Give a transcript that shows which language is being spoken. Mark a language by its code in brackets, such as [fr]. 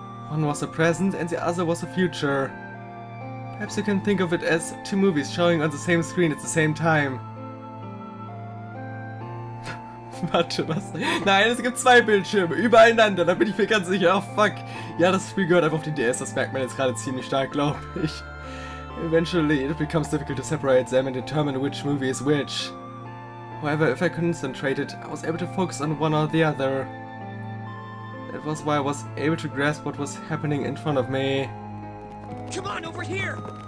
[en] One was the present and the other was the future. Perhaps you can think of it as two movies showing on the same screen at the same time. [de] Warte, was? Nein, es gibt zwei Bildschirme übereinander, da bin ich mir ganz sicher. Oh fuck. Ja, das Spiel gehört einfach auf die DS, das merkt man jetzt gerade ziemlich stark, glaube ich. [en] Eventually, it becomes difficult to separate them and determine which movie is which. However, if I concentrated, I was able to focus on one or the other. That was why I was able to grasp what was happening in front of me. Come on, over here!